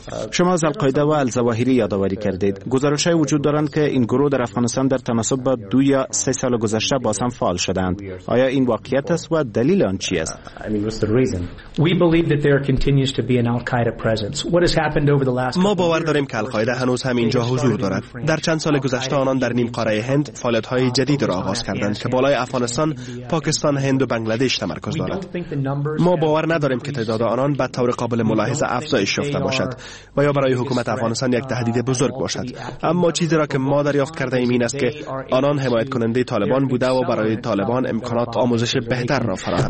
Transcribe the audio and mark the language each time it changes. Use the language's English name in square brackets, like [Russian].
[Persian] شما از القاعده و الزواهری یادآوری کردید. گزارش‌های وجود دارند که این گروه در افغانستان در تناسب با دو یا سه سال گذشته باز هم فعال شدند. آیا این واقعیت است و دلیل آن چی است؟ [English] We believe that there continues to be an al-Qaeda presence. What has happened over the last [Persian] ما باور داریم که القاعده هنوز هم اینجا حضور دارد. در چند سال گذشته آنان در نیم قاره هند فعالیت‌های جدید را آغاز کردند که بالای افغانستان، پاکستان، هند و بنگلادش تمرکز دارد. ما باور نداریم که تعداد آنان به طور قابل ملاحظه افزایش یافته باشد. و یا برای حکومت افغانستان یک تهدید بزرگ باشد. اما چیزی را که ما دریافت کرده ایم این است که آنان حمایت کننده طالبان بوده و برای طالبان امکانات آموزش بهتر را فراهم